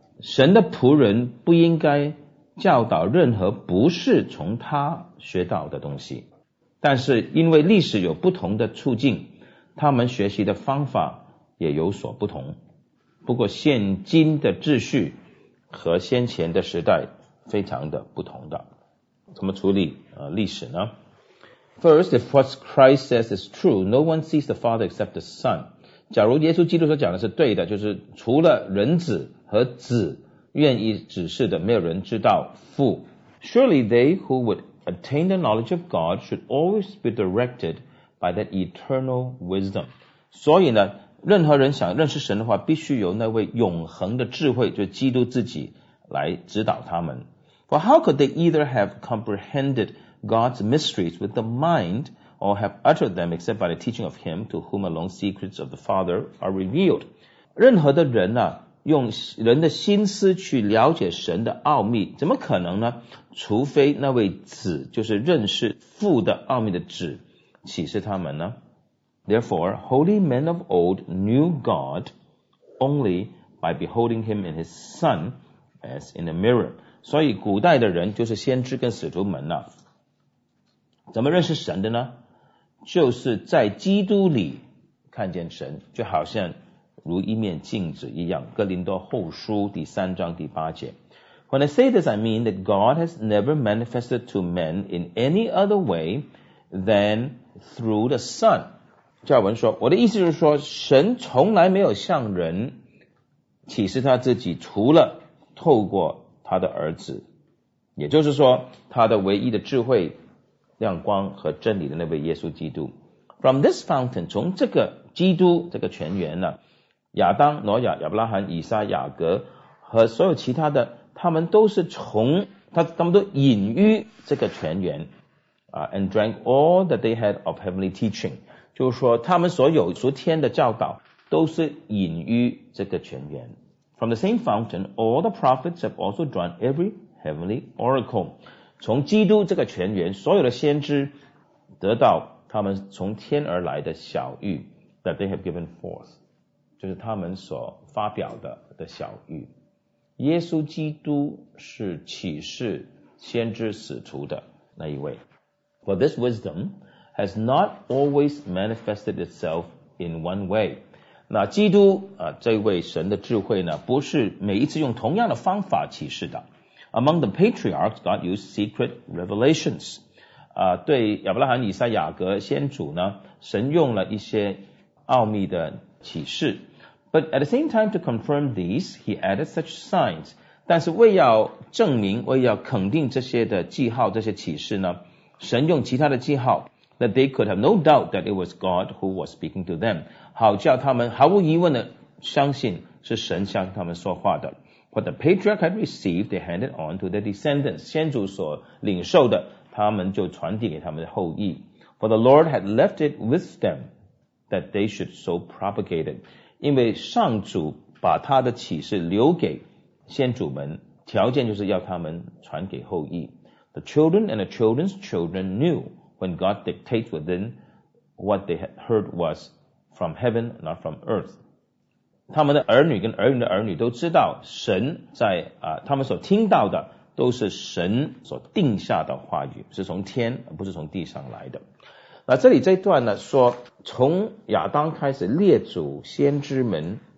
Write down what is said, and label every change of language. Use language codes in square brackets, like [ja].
[zh] 神的仆人不应该教导任何不是从他学到的东西，但是因为历史有不同的处境，他们学习的方法也有所不同。不过现今的秩序和先前的时代非常的不同的。怎么处理历史呢？ [en] First, if what Christ says is true, no one sees the Father except the Son. [zh] 假如耶稣基督所讲的是对的，就是除了人子和子愿意指示的，没有人知道父。 [en] Surely they who would attain the knowledge of God should always be directed by that eternal wisdom. [zh] 所以呢，任何人想认识神的话，必须由那位永恒的智慧，就是基督自己来指导他们。 [en] For how could they either have comprehended God's mysteries with the mind or have uttered them except by the teaching of him to whom alone secrets of the Father are revealed. [zh] 任何的人呢，用人的心思去了解神的奥秘，怎么可能呢？除非那位子，就是认识父的奥秘的子，启示他们呢。 [en] Therefore, holy men of old knew God only by beholding him in his Son as in a mirror. [zh] 所以古代的人，就是先知跟使徒们呢，怎么认识神的呢？就是在基督里看见神，就好像如一面镜子一样。哥林多后书第三章第八节。 [en] When I say this, I mean that God has never manifested to men in any other way than through the Son. [zh] 加尔文说，我的意思就是说，神从来没有向人启示他自己，除了透过他的儿子，也就是说，他的唯一的智慧亮光和真理的那位耶稣基督。 [en] From this fountain, [zh] 从这个基督这个泉源呢，亚当、挪亚、亚伯拉罕、以撒、雅各和所有其他的，他们都是从 他们都饮于这个泉源 [en] and drank all that they had of heavenly teaching, [zh] 就是说他们所有属天的教导都是饮于这个泉源。 [en] From the same fountain, all the prophets have also drawn every heavenly oracle, [zh] 从基督这个泉源，所有的先知得到他们从天而来的晓谕 [en] that they have given forth, [zh] 就是他们所发表的晓谕。耶稣基督是启示先知使徒的那一位。 [en] For this wisdom has not always manifested itself in one way. [zh] 那基督这位神的智慧呢，不是每一次用同样的方法启示的。 [en] Among the patriarchs, God used secret revelations. [zh] 对亚伯拉罕、以撒、雅各先祖呢，神用了一些奥秘的启示。 [en] But at the same time to confirm these, he added such signs. [zh] 但是为要证明，为要肯定这些的记号、这些启示呢，神用其他的记号 ， [en] that they could have no doubt that it was God who was speaking to them. [zh] 好叫他们毫无疑问的相信是神向他们说话的。 [en] What the patriarch had received, they handed on to their descendants. [zh] 先祖所领受的，他们就传递给他们的后裔。 [en] For the Lord had left it with them that they should so propagate it. [zh] 因为上主把他的启示留给先祖们，条件就是要他们传给后裔。 [en] The children and the children's children knew when God dictates within what they had heard was from heaven, not from earth. [zh] 他们的儿女跟儿女的儿女都知道神在他们所听到的都是神所定下的话语，是从天不是从地上来的。那这里这一段呢，说从亚当开始列祖先知们